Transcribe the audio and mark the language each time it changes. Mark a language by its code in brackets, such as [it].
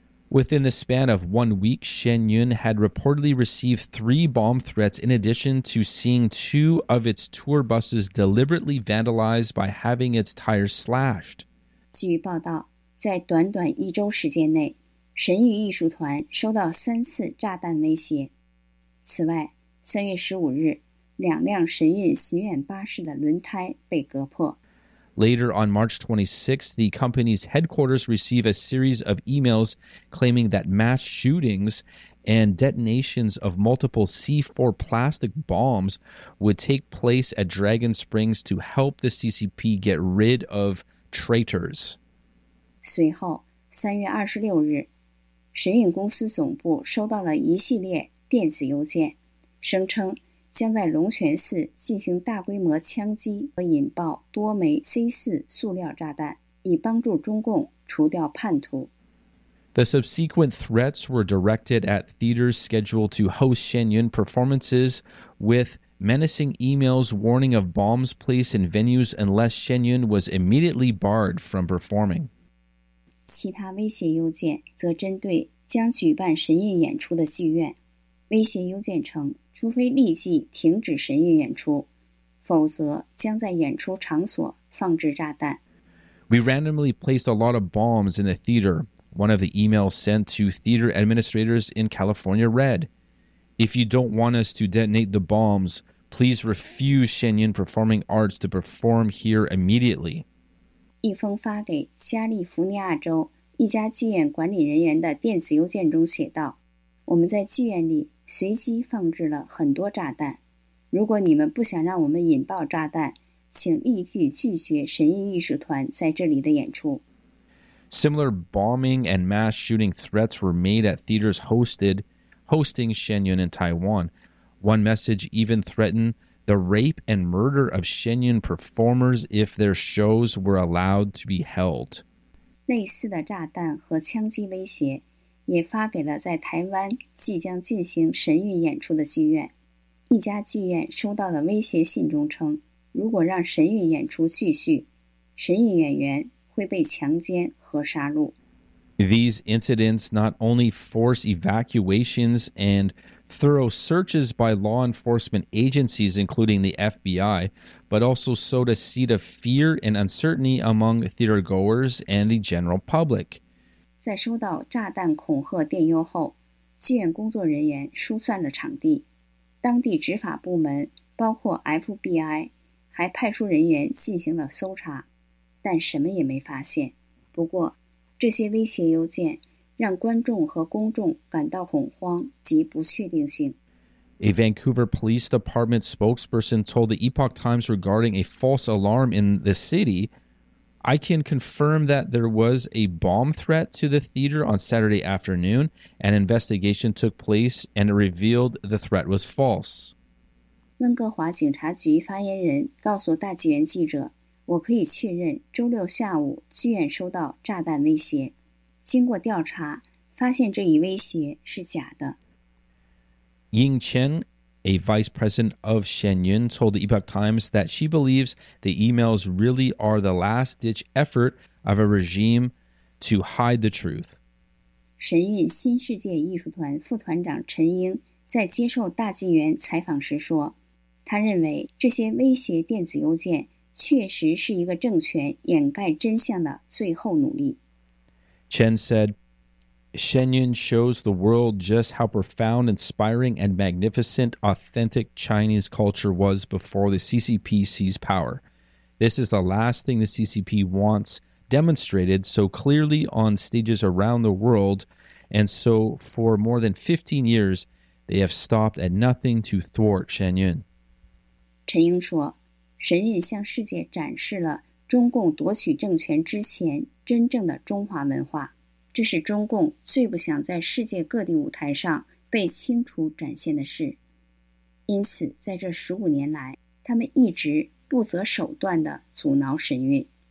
[en] Within the span of 1 week, Shen Yun had reportedly received 3 bomb threats in addition to seeing 2 of its tour buses deliberately vandalized by having its tires slashed. [zh] 据报道，在短短一周时间内，神宇艺术团收到3次炸弹威胁。此外，3月15日，两辆神韵巡演巴士的轮胎被割破。 [en] Later on March 26, the company's headquarters received a series of emails claiming that mass shootings and detonations of multiple C4 plastic bombs would take place at Dragon Springs to help the CCP get rid of traitors. [zh] 随后，3月26日，神韵公司总部收到了一系列电子邮件，声称将在龙泉寺进行大规模枪击和引爆多枚 C4 塑料炸弹，以帮助中共除掉叛徒。 [en] The subsequent threats were directed at theaters scheduled to host Shen Yun performances, with menacing emails warning of bombs placed in venues unless Shen Yun was immediately barred from performing. [zh] 其他威胁邮件则针对将举办神韵演出的剧院。威胁邮件称，除非立即停止神韵演出，否则将在演出场所放置炸弹。 [en] We randomly placed a lot of bombs in the theater, one of the emails sent to theater administrators in California read. If you don't want us to detonate the bombs, please refuse Shen Yun Performing Arts to perform here immediately. [zh] 一封发给加利福尼亚州一家剧院管理人员的电子邮件中写道，我们在剧院里随机放置了很多炸弹。如果你们不想让我们引爆炸弹，请立即拒绝神韵艺术团在这里的演出。 [en] Similar bombing and mass shooting threats were made at theaters hosting Shen Yun in Taiwan. One message even threatened the rape and murder of Shen Yun performers if their shows were allowed to be held. [zh] 类似的炸弹和枪击威胁也发给了在台湾即将进行神韵演出的剧院。一家剧院收到的威胁信中称，如果让神韵演出继续，神韵演员会被强奸和杀戮。 [en] These incidents not only force evacuations and thorough searches by law enforcement agencies, including the FBI, but also sowed a seed of fear and uncertainty among theatergoers and the general public. [zh] 在收到炸弹恐吓电邮后，剧院工作人员疏散了场地。当地执法部门，包括 FBI, 还派出人员进行了搜查，但什么也没发现。不过，这些威胁邮件让观众和公众感到恐慌及不确定性。 [en] A Vancouver Police Department spokesperson told the Epoch Times regarding a false alarm in the city, I can confirm that there was a bomb threat to the theater on Saturday afternoon. An investigation took place and it revealed the threat was false. [zh] 温哥华警察局发言人告诉大纪元记者，我可以确认周六下午剧院收到炸弹威胁。经过调查，发现这一威胁是假的。 [en] Ying Chen, a vice president of Shen Yun, told the Epoch Times that she believes the emails really are the last-ditch effort of a regime to hide the truth. [zh] 神韵新世界艺术团副团长陈英在接受大纪元采访时说，他认为这些威胁电子邮件确实是一个政权掩盖真相的最后努力。 [en] Chen said, Shen Yun shows the world just how profound, inspiring, and magnificent authentic Chinese culture was before the CCP seized power. This is the last thing the CCP wants demonstrated so clearly on stages around the world, and so for more than 15 years, they have stopped at nothing to thwart Shen Yun. [zh] Chen Yun 说，神韵向世界展示了中共夺取政权之前真正的中华文化，这是中共最不想在世界各地舞台上被清楚展现的事。因此，在这15年来，他们一直不择手段地阻挠神韵。